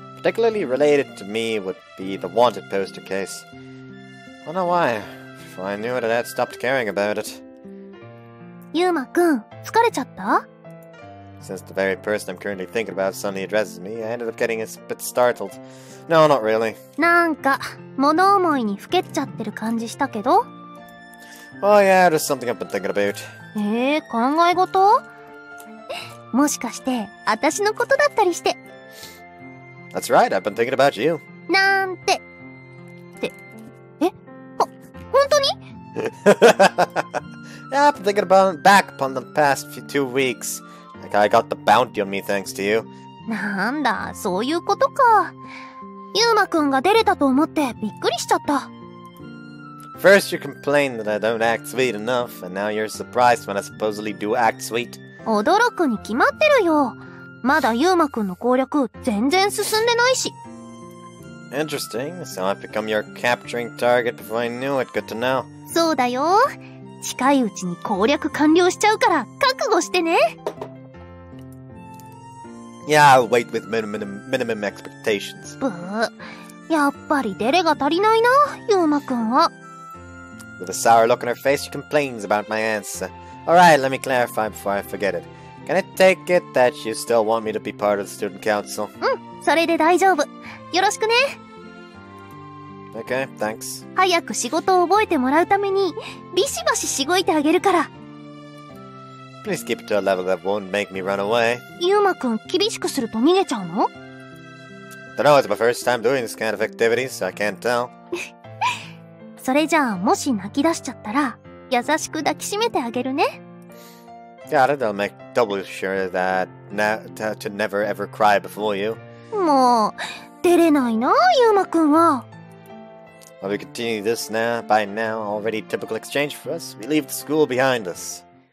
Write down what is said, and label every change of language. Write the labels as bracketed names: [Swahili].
[English] Particularly related to me would be the wanted poster case. I don't know why. Before I knew it, I'd stopped caring about it. [Japanese] Yuma-kun, 疲れちゃった? [English] Since the very person I'm currently thinking about suddenly addresses me, I ended up getting a bit startled. No, not really. [Japanese] なんか、物思いにふけっちゃってる感じしたけど? [English] Oh yeah, there's something I've been thinking about. [Japanese] 考え事? もしかして、あたしのことだったりして。 [English] That's right, I've been thinking about you. [Japanese] なんて。って、本当に? [English] Yeah, I've been thinking about back upon the past few 2 weeks. Like I got the bounty on me thanks to you. [Japanese] なんだ、そういうことか。ユーマくんが出れたと思ってびっくりしちゃった。 [English] First you complain that I don't act sweet enough, and now you're surprised when I supposedly do act sweet. [Japanese] 驚くに決まってるよ。まだユーマくんの攻略全然進んでないし。 [English] Interesting. So I've become your capturing target before I knew it. Good to know. [Japanese] そうだよ。近いうちに攻略完了しちゃうから覚悟してね。 [English] Yeah, I'll wait with minimum expectations. [Japanese] ブー。やっぱりデレが足りないな、ユーマくんは。 [English] With a sour look on her face, she complains about my answer. Alright, let me clarify before I forget it. Can I take it that you still want me to be part of the student council? [Japanese] それで大丈夫。よろしくね。 [English] Okay, thanks. [Japanese] 早く仕事を覚えてもらうために、ビシバシしごいてあげるから。 [English] Please keep it to a level that won't make me run away. [Japanese] ユーマくん、厳しくすると逃げちゃうの? [English] Dunno, it's my first time doing this kind of activity, so I can't tell. [Japanese] それじゃあ、もし泣き出しちゃったら、優しく抱きしめてあげるね。 [English] Yeah, that'll make doubly sure that to never ever cry before you. [Japanese] もう、出れないな、ゆうまくんは。 [English] While we continue this now, by now, already typical exchange for us, we leave the school behind us.